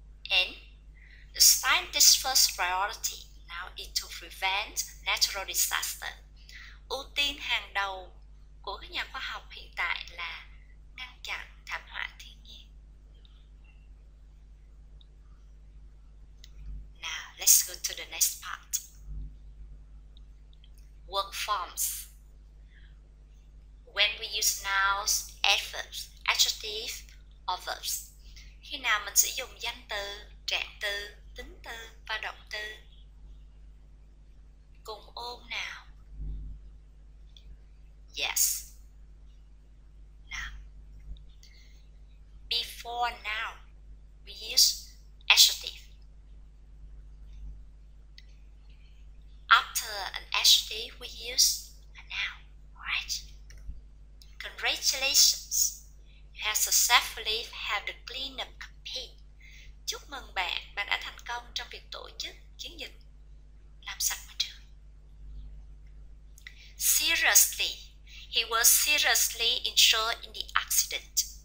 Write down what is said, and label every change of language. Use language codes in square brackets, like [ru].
[en] And the scientist's first priority now is to prevent natural disaster. [vi] Ưu tiên hàng đầu của các nhà khoa học hiện tại là ngăn chặn thảm họa thiên nhiên. [en] Now, let's go to the next part. Work forms. When we use nouns, adverbs, adjectives, or verbs. [vi] Khi nào mình sử dụng danh từ, trạng từ, tính từ và động từ? Cùng ôn nào. [en] Yes. Now. Before noun, we use adjective. After an adjective, we use a noun, right? Congratulations, you have successfully had the cleanup campaign. [vi] Chúc mừng bạn, bạn đã thành công trong việc tổ chức chiến dịch làm sạch môi trường. [en] Seriously, he was seriously injured in the accident.